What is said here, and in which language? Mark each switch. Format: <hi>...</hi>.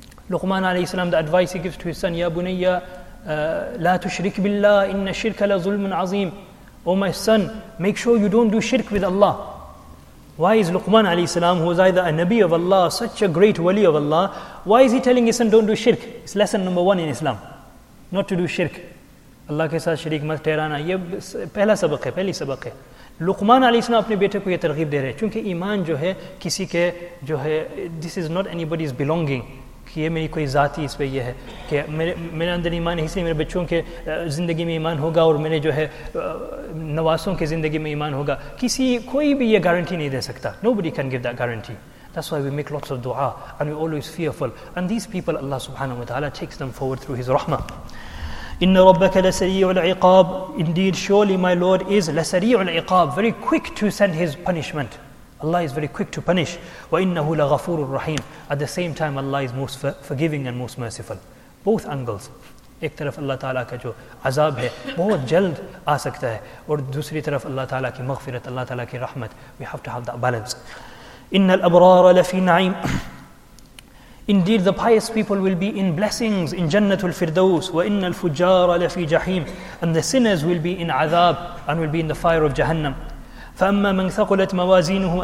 <en>Luqman alayhi salam, the advice he gives to his son,</en> <ar>يَا بُنَيَّ لَا تُشْرِكْ بِاللَّهِ إِنَّ الشِّرْكَ لَظُلْمٌ عَظِيمٌ.</ar> <en>Oh my son, make sure you don't do shirk with Allah. Why is Luqman alayhi salam, who was either a Nabi of Allah, such a great wali of Allah, why is he telling his son don't do shirk? It's lesson number one in Islam, not to do shirk.</en> <ur>اللہ کے ساتھ شرک مت ٹھہرانا۔ یہ پہلا سبق ہے، پہلی سبق ہے۔ لقمان علیہ السلام اپنے بیٹے کو یہ ترغیب دے رہے ہیں، کیونکہ ایمان جو ہے کسی کے جو ہے،</ur> <en>this is not anybody's belonging.</en> <ur>کہ یہ میری کوئی ذاتی اس پہ یہ ہے کہ میرے اندر ایمان ہے، اس لیے میرے بچوں کے زندگی میں ایمان ہوگا اور میرے جو ہے نواسوں کے زندگی میں ایمان ہوگا۔ کسی کوئی بھی یہ گارنٹی نہیں دے سکتا۔</ur> <en>Nobody can give that guarantee. That's why we make lots of dua and we're always fearful, and these people Allah subhanahu wa ta'ala takes them forward through his rahmah.</en> <ar>Inna rabbaka lasari'u al-iqab.</ar> <en>Indeed, surely my Lord is lasari'u al-iqab, very quick to send his punishment. Allah is very quick to punish.</en> <ar>Wa innahu laghafurur rahim.</ar> <en>At the same time, Allah is most forgiving and most merciful. Both angles.</en> <ur>ایک طرف اللہ تعالیٰ کا جو عذاب ہے، بہت جلد آ سکتا ہے، اور دوسری طرف اللہ تعالیٰ کی مغفرت، اللہ تعالیٰ کی رحمت۔</ur> <en>We have to have that balance.</en> <ar>Innal abrara lafi na'im.</ar> <en>Indeed, the pious people will be in blessings in Jannatul Firdaus.</en> <ar>Wa innal fujara lafi jahim.</ar> <en>And the sinners will be in azab and will be in the fire of Jahannam.</en> <ar>فَأَمَّا مَنْ ثَقُلَتْ مَوَازِينُهُ.</ar>